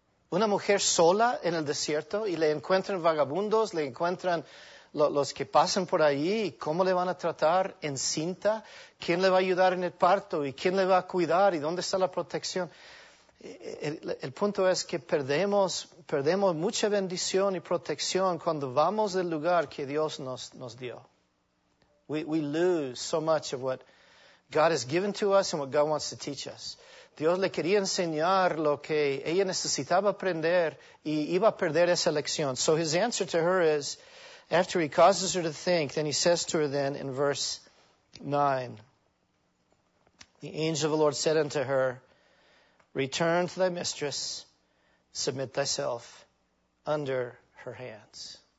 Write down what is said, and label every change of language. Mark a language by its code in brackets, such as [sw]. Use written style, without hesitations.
[es] Una mujer sola en el desierto y le encuentran vagabundos, le encuentran los que pasan por allí, ¿cómo le van a tratar? ¿Encinta? ¿Quién le va a ayudar en el parto? ¿Y quién le va a cuidar? ¿Y dónde está la protección? El punto es que perdemos mucha bendición y protección cuando vamos del lugar que Dios nos dio. [en] We lose so much of what God has given to us and what God wants to teach us. [es] Dios le quería enseñar lo que ella necesitaba aprender y iba a perder esa lección. [en] So his answer to her is, after he causes her to think, then he says to her then in verse 9, the angel of the Lord said unto her, return to thy mistress, submit thyself under her hands.